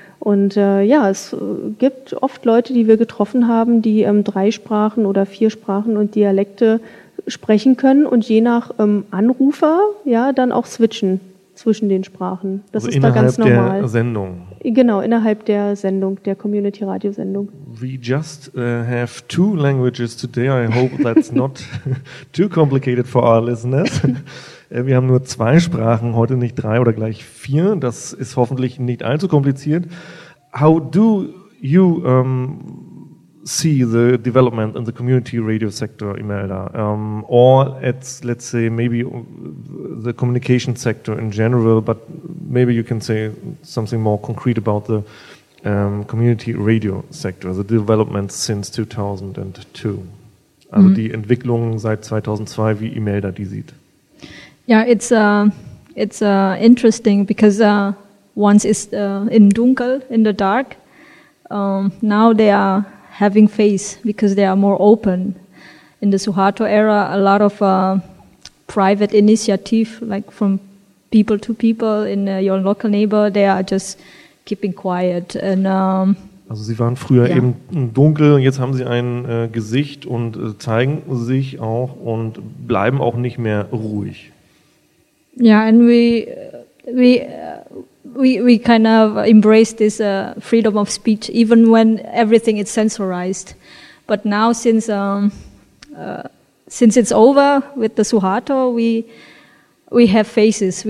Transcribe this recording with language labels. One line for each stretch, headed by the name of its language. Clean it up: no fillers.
German: Und ja, es gibt oft Leute, die wir getroffen haben, die drei Sprachen oder vier Sprachen und Dialekte sprechen können und je nach Anrufer ja dann auch switchen zwischen den Sprachen. Das ist da ganz normal. Innerhalb der Sendung. Genau, innerhalb der Sendung, der Community Radio Sendung.
English: We just have two languages today. I hope that's not too complicated for our listeners.
German: Wir haben nur zwei Sprachen heute, nicht drei oder gleich vier. Das ist hoffentlich nicht allzu kompliziert.
English: How do you see the development in the community radio sector, Imelda, or it's, let's say, maybe the communication sector in general, but maybe you can say something more concrete about the community radio sector, the development since 2002,
German: also die Entwicklung seit 2002, wie Imelda die sieht.
English: Yeah, it's interesting because once it's in dunkel, in the dark, now they are having face because they are more open. In the Suharto era, a lot of private initiative, like from people to people in your local neighbor, they are just keeping quiet. And,
German: also sie waren früher eben dunkel und jetzt haben sie ein Gesicht und zeigen sich auch und bleiben auch nicht mehr ruhig.
English: Yeah, and we kind of embrace this freedom of speech even when everything is censorized. But now since it's over with the Suharto, we have faces.